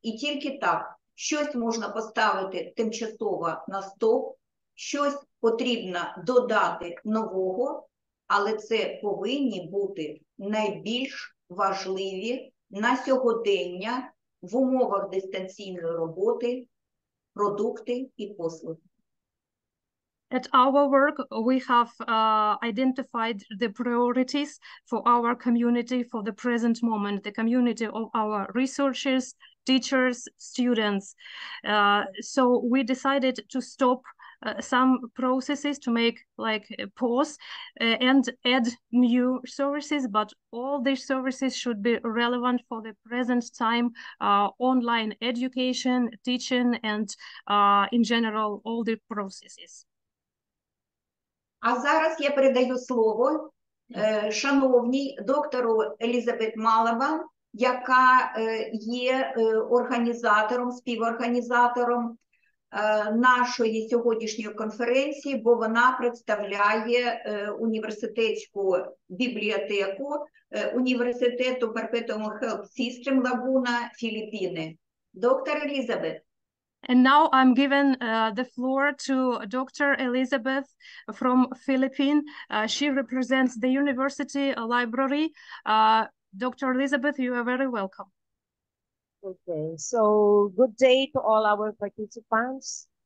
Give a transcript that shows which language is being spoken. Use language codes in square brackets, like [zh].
[uk] І тільки так, щось можна поставити тимчасово на стоп, щось потрібно додати нового, але це повинні бути найбільш важливі на сьогодення в умовах дистанційної роботи продукти і послуги. [en] At our work, we have identified the priorities for our community for the present moment, the community of our researchers, teachers, students. So we decided to stop some processes to make like a pause and add new services, but all these services should be relevant for the present time, online education, teaching, and in general, all the processes. [uk] А зараз я передаю слово шановній доктору Елізабет Малаба, яка є організатором, співорганізатором нашої сьогоднішньої конференції, бо вона представляє університетську бібліотеку університету Perpetuum Health System Laguna, Філіппіни. Доктор Елізабет. [en] And now I'm giving the floor to Dr. Elizabeth from Philippines. She represents the university library. Dr. Elizabeth, you are very welcome. Okay, so good day to all our participants.